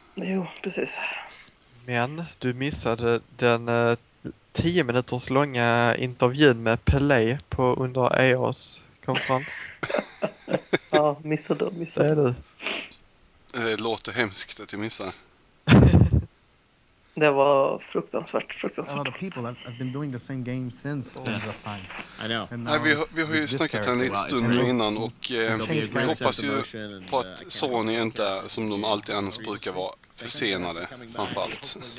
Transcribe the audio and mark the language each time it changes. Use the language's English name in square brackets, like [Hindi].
[Swedish] Jo, precis. Men du missade den 10 minuters långa intervjun med Pelé på under EOS konferens. Ja, missade. Det är du. Det låter hemskt att jag missade. Det var fruktansvärt. [English] A lot of people have been doing the same game since all of time. I know. [Swedish] Nej, vi har ju snackat en liten stund innan och vi hoppas ju på att Sony inte är som de alltid annars brukar vara, försenade framförallt.